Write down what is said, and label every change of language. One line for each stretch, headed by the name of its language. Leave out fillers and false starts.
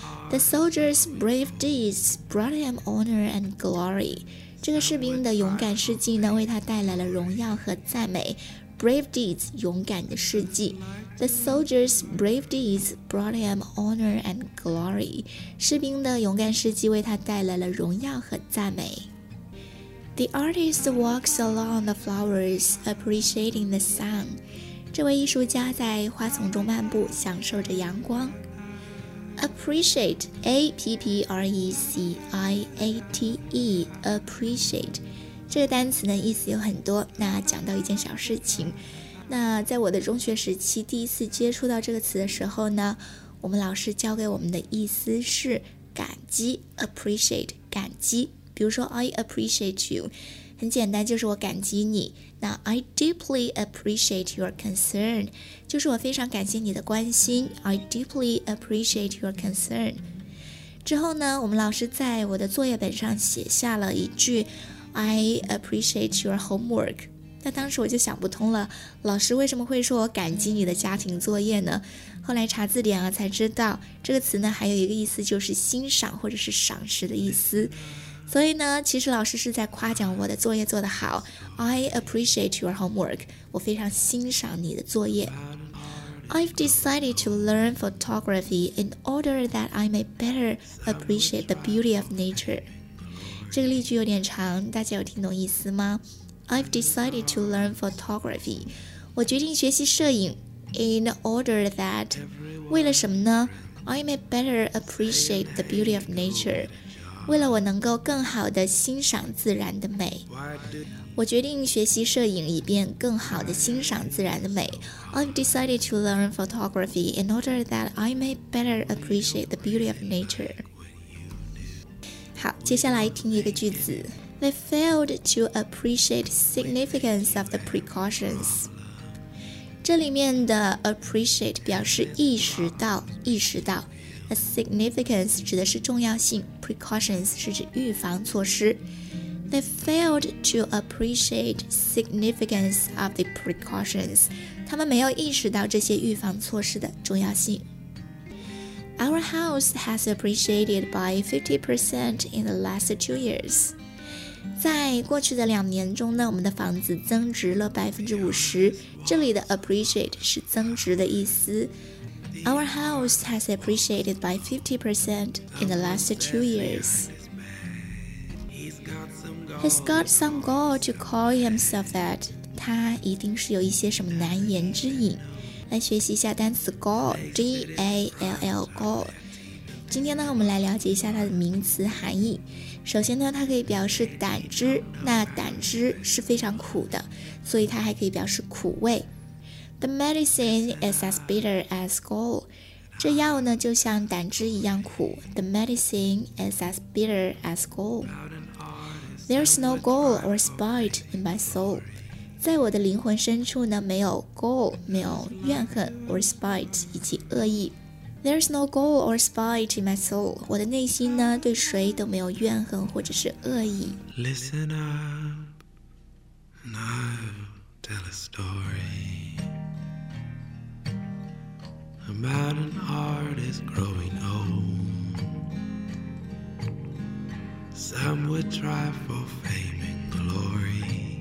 English: The soldier's brave deeds brought him honor and glory。
Chinese: 这个士兵的勇敢事迹呢，为他带来了荣耀和赞美。
English: Brave deeds，
Chinese: 勇敢的事迹。
English: The soldier's brave deeds brought him honor and glory。
Chinese: 士兵的勇敢事迹为他带来了荣耀和赞美。
English: The artist walks along the flowers, appreciating the sun.
Chinese: 这位艺术家在花丛中漫步，享受着阳光。
English: Appreciate, A-P-P-R-E-C-I-A-T-E, appreciate.
Chinese: 这个单词呢，意思有很多。那讲到一件小事情，那在我的中学时期第一次接触到这个词的时候呢，我们老师教给我们的意思是感激 ，appreciate, 感激。比如说
English: I appreciate you，
Chinese: 很简单，就是我感激你。那
English: I deeply appreciate your concern，
Chinese: 就是我非常感谢你的关心。
English: I deeply appreciate your concern。
Chinese: 之后呢，我们老师在我的作业本上写下了一句
English: I appreciate your homework。
Chinese: 那当时我就想不通了，老师为什么会说我感激你的家庭作业呢？后来查字典啊，才知道这个词呢还有一个意思，就是欣赏或者是赏识的意思。所以呢，其实老师是在夸奖我的作业做得好。
English: I appreciate your homework.
Chinese: 我非常欣赏你的作业。
English: I've decided to learn photography in order that I may better appreciate the beauty of nature.
Chinese: 这个例句有点长，大家有听懂意思吗？
English: I've decided to learn photography.
Chinese: 我决定学习摄影。
English: In order that,
Chinese: 为了什么呢？
English: I may better appreciate the beauty of nature.
Chinese: 为了我能够更好地欣赏自然的美。我决定学习摄影以便更好地欣赏自然的美。
English: I've decided to learn photography in order that I may better appreciate the beauty of nature.
Chinese: 好，接下来听一个句子。
English: They failed to appreciate significance of the precautions.
Chinese: 这里面的 appreciate 表示意识到，意识到。 The significance 指的是重要性， precautions 是指预防措施。
English: They failed to appreciate significance of the precautions.
Chinese: 他们没有意识到这些预防措施的重要性。
English: Our house has appreciated by 50% in the last 2 years.
Chinese: 在过去的两年中呢，我们的房子增值了 50%. 这里的 appreciate 是增值的意思。
English: Our house has appreciated by 50% in the last 2 years. He's got some gall to call himself that.
Chinese: 他一定是有一些什么难言之隐。来学习一下单词 gall, G-A-L-L, gall. 今天呢，我们来了解一下它的名词含义。首先呢，它可以表示胆汁，那胆汁是非常苦的，所以它还可以表示苦味。
English: The medicine is as bitter as gall.
Chinese: 这药呢，就像胆汁一样苦。
English: The medicine is as bitter as gall. There's no gall or spite in my soul.
Chinese: 在我的灵魂深处呢，没有 gall, 没有怨恨 or spite 以及恶意。
English: There's no gall or spite in my soul.
Chinese: 我的内心呢，对谁都没有怨恨或者是恶意。
English: Listen up, and I'll tell a story about an artist growing old. Some would try for fame and glory.